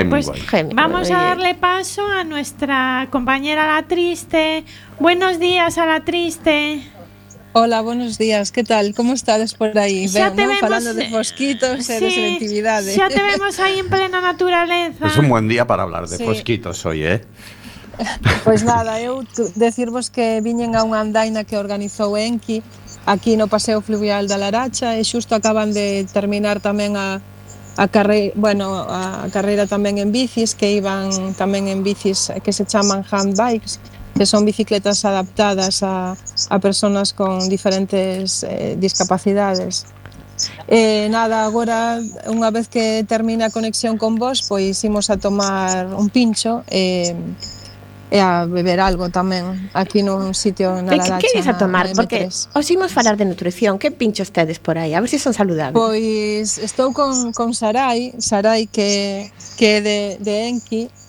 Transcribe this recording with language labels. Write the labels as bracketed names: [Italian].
[Spanish] Pues vamos a darle paso a nuestra compañera La Triste. Buenos días a La Triste. Hola, buenos días. ¿Qué tal? ¿Cómo estás por ahí? Ya veo, te ¿no? vemos. Hablando de mosquitos, de selectividades. Ya te vemos ahí en plena naturaleza. Es un buen día para hablar de mosquitos hoy, ¿eh? [Galician] Pues nada, eu decirvos que viñen a unha andaina que organizou Enki aquí no Paseo Fluvial da Laracha, e xusto acaban de terminar tamén a carreira tamén en bicis, que iban tamén en bicis que se chaman handbikes, [Spanish] que son bicicletas adaptadas a personas con diferentes discapacidades. [Galician] Nada, agora, unha vez que termina a conexión con vos, pois imos a tomar un pincho e a beber algo tamén aquí nun sitio na Laracha. Que ides a tomar? Porque os imos falar de nutrición. Que pincho estedes por aí? A ver se son saludables. Pois estou con Sarai que é de Enki.